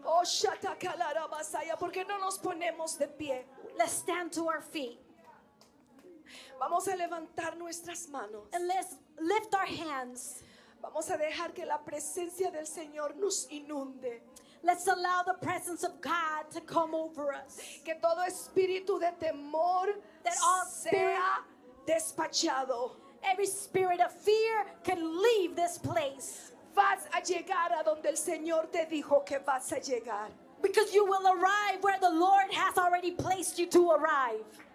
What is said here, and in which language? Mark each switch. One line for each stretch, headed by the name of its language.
Spanish: Oh, shatakalara masaya, ¿por qué no nos ponemos de pie?
English: Let's stand to our feet.
Spanish: Vamos a levantar nuestras manos.
English: And let's lift our hands.
Spanish: Vamos a dejar que la presencia del Señor nos inunde.
English: Let's allow the presence of God to come over us.
Spanish: Que todo espíritu de temor sea despachado.
English: Every spirit of fear can leave this place.
Spanish: Vas a llegar a donde el Señor te dijo que vas a llegar.
English: Because you will arrive where the Lord has already placed you to arrive.